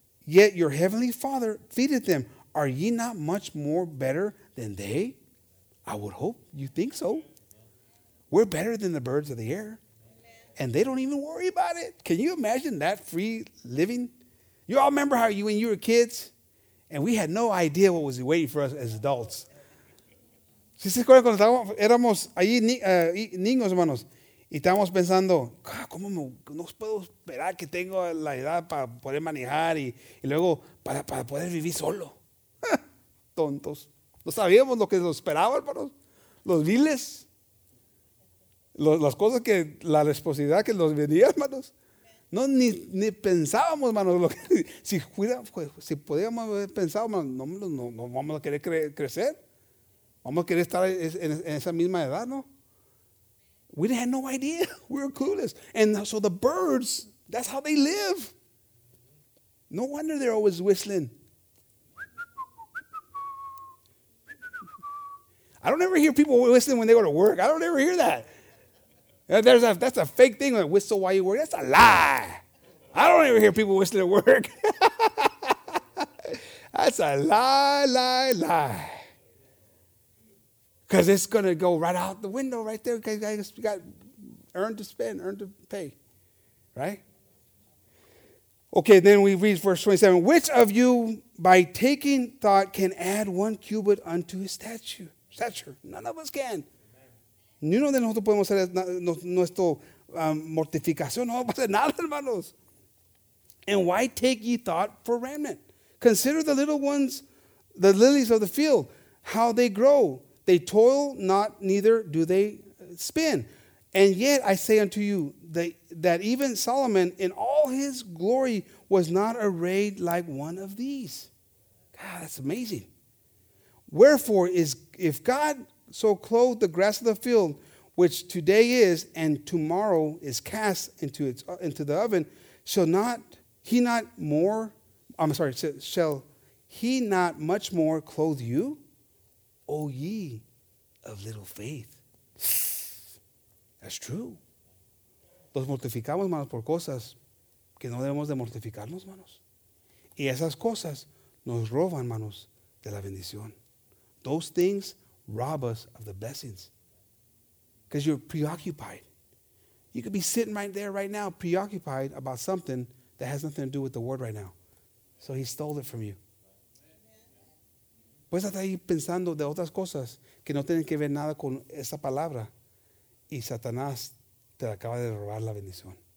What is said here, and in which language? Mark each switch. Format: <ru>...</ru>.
<en>Yet your heavenly Father feedeth them. Are ye not much more better than they? I would hope you think so. We're better than the birds of the air. And they don't even worry about it. Can you imagine that free living? You all remember how you, when you were kids, and we had no idea what was waiting for us as adults.</en> <es>¿Sí se acuerdan cuando estábamos, éramos ahí niños, hermanos? Y estábamos pensando, ¿cómo me, no puedo esperar que tengo la edad para poder manejar y luego para poder vivir solo? Tontos. No sabíamos lo que nos esperaba, hermanos. Los viles. Las cosas que, la responsabilidad que nos venía, hermanos. No, ni pensábamos, hermanos. Lo que, si podíamos haber pensado, hermanos, no vamos a querer crecer. Vamos a querer estar en esa misma edad, ¿no?</es> <en>We had no idea. We were clueless. And so the birds, that's how they live. No wonder they're always whistling. I don't ever hear people whistling when they go to work. I don't ever hear that. That's a fake thing, like whistle while you work. That's a lie. I don't ever hear people whistling at work. That's a lie. Because it's going to go right out the window right there. Because you got earn to pay. Right? Okay, then we read verse 27. Which of you, by taking thought, can add one cubit unto his stature? None of us can.</en> <es>Ni uno de nosotros podemos hacer nuestra mortificación. No vamos a hacer nada, hermanos.</es> <en>And why take ye thought for raiment? Consider the little ones, the lilies of the field, how they grow. They toil not, neither do they spin. And yet I say unto you that even Solomon in all his glory was not arrayed like one of these. God, that's amazing. Wherefore, if God so clothe the grass of the field, which today is and tomorrow is cast into the oven, shall he not much more clothe you, O ye of little faith? That's true.</en> <es>Nos mortificamos, hermanos, por cosas que no debemos de mortificarnos, hermanos. Y esas cosas nos roban, hermanos, de la bendición.</es> <en>Those things rob us of the blessings because you're preoccupied. You could be sitting right there right now preoccupied about something that has nothing to do with the word right now. So he stole it from you.</en> <es>Puedes estar ahí pensando de otras cosas que no tienen que ver nada con esa palabra y Satanás te acaba de robar la bendición.</es>